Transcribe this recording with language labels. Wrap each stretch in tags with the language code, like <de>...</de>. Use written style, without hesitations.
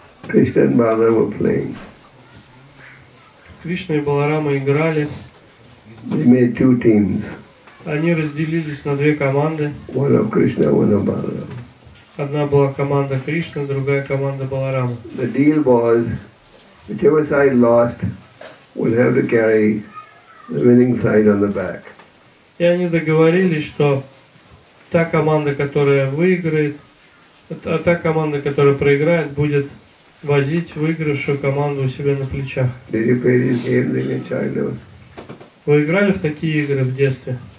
<en>Krishna and Balaram were playing.</en> <ru>Krishna и Баларама играли.</ru> <en>They made two teams.</en> <ru>Они разделились на две команды.</ru> <en>One of Krishna, one of Balaram.</en> <ru>Одна была команда Кришны, другая команда Баларама.</ru> <en>The deal was, whichever side lost would have to carry the winning side on the back.</en> <ru>И они договорились, что та команда, которая выиграет, а та команда, которая проиграет, будет возить выигравшую команду у себя на плечах. Вы играли в такие игры в детстве?</ru>